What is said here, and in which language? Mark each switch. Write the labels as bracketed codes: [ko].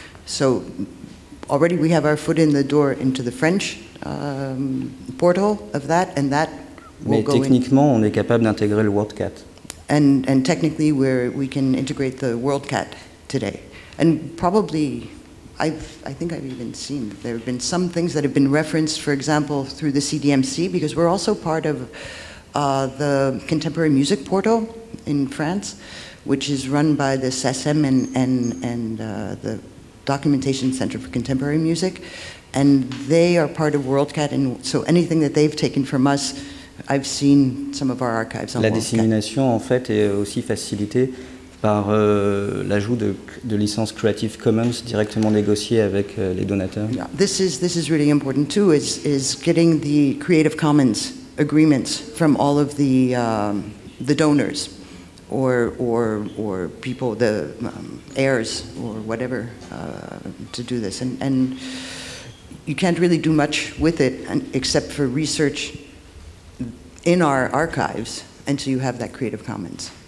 [en] So already we have our foot in the door into the French portal of that, and that will go in. [fr] Mais techniquement, on est capable d'intégrer le WorldCat. [en] And technically, we can integrate the WorldCat today, and probably, I think I've even seen there have been some things that have been referenced, for example, through the CDMC, because we're also part of the Contemporary Music Portal in France, which is run by the SACEM and the Documentation Center for Contemporary Music, and they are part of WorldCat, and so anything that they've taken from us. I've seen some of our archives on [fr] la dissémination en fait est aussi facilitée par l'ajout de licences Creative Commons directement négociées avec les donateurs. [en] Yeah. This is really important too, is getting the Creative Commons agreements from all of the donors or people, the heirs or whatever to do this, and you can't really do much with it except for research in our archives until you have that Creative Commons.